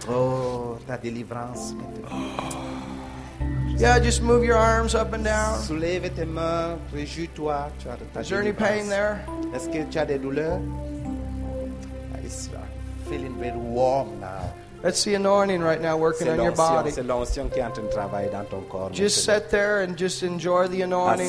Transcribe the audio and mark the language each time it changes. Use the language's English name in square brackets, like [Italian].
[French] Oh, ta délivrance. Oh. [English] Yeah, just move your arms up and down. [French] Soulève tes mains, réjouis-toi. Tu as [English] des Is there any pain there? [French] Est-ce que tu as des douleurs? [English] It's feeling very warm now. That's the anointing right now working on your body. [French] C'est l'onction qui est en train de travailler dans ton corps. [English] Just sit there and just enjoy the anointing.